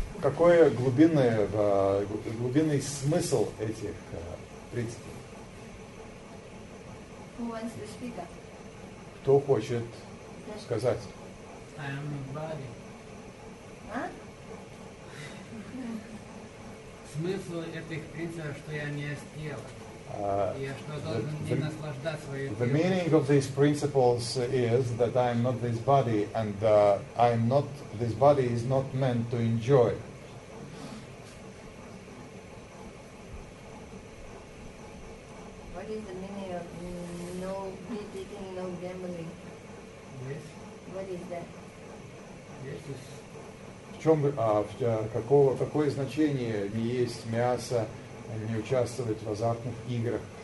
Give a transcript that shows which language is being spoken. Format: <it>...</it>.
<ru>Какой глубинный смысл этих принципов?</ru> <en>Who wants to speak up?</en> <ru>Кто хочет сказать?</ru> <en>I am a body.</en> <ru>Смысл этих принципов, что я не из тела.</ru> <en>The meaning of these principles is that I am not this body, and I am not, this body is not meant to enjoy. What is the meaning of no eating, no gambling? Yes. What is that? Yes.</en> <ru>В чем, какого, какое значение не есть мясо, не участвовать в азартных играх?</ru>